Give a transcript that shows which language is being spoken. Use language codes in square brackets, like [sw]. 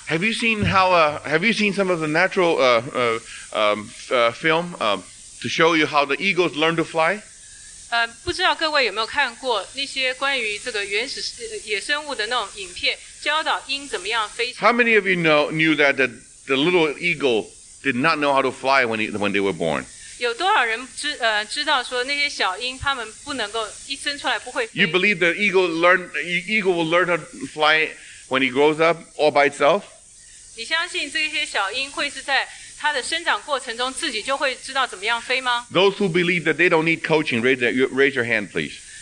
[en] Have you seen how some of the natural film to show you how the eagles learn to fly? [zh] 不知道各位有没有看过那些关于这个原始野生物的那种影片，教导鹰怎么样飞翔。 [en] How many of you knew that the little eagle did not know how to fly when they were born? [zh] 有多少人知道说那些小鹰，他们不能够一生出来不会飞。 [en] You believe the eagle will learn how to fly when he grows up all by itself? [zh] 你相信这些小鹰会是在 它的生长过程中自己就会知道怎么样飞吗？ [en] Those who believe that they don't need coaching, raise your hand, please.